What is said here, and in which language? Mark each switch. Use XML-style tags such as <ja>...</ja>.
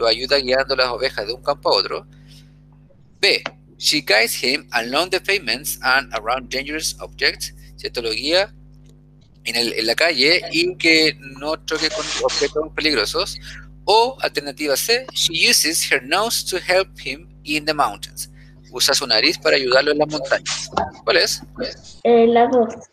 <es>Lo ayuda guiando las ovejas de un campo a otro.</es> <en>B, she guides him along the pavements and around dangerous objects.</en> <es>¿Cierto? Lo guía en la calle y que no choque con objetos peligrosos. O alternativa C,</es> <en>she uses her nose to help him in the mountains.</en> <es>Usa su nariz para ayudarlo en las montañas. ¿Cuál es? La dos.</es>